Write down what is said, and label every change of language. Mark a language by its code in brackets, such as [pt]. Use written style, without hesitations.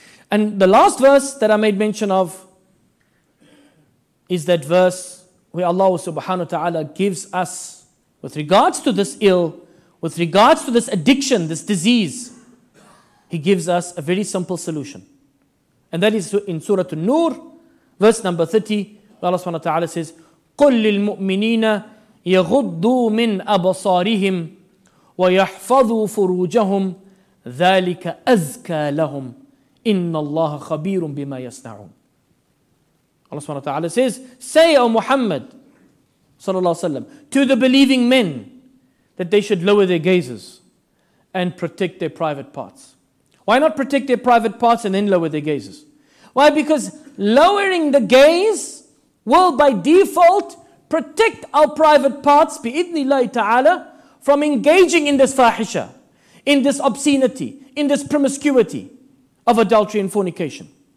[en] And the last verse that I made mention of is that verse where Allah subhanahu wa ta'ala gives us, with regards to this ill, with regards to this addiction, this disease, He gives us a very simple solution. And that is in Surah An-Nur, verse number 30, where Allah subhanahu wa ta'ala says, [ar] قُلْ لِلْمُؤْمِنِينَ يَغُضُّوا مِنْ أَبَصَارِهِمْ وَيَحْفَظُوا فُرُوجَهُمْ ذَلِكَ أَزْكَى لَهُمْ إِنَّ اللَّهَ خَبِيرٌ بِمَا يَسْنَعُونَ. [en] Allah subhanahu wa ta'ala says, say, O Muhammad sallallahu alaihi wasallam, to the believing men, that they should lower their gazes and protect their private parts. Why not protect their private parts and then lower their gazes? Why? Because lowering the gaze will by default protect our private parts, bi-idhnillahi ta'ala, from engaging in this fahisha, in this obscenity, in this promiscuity of adultery and fornication.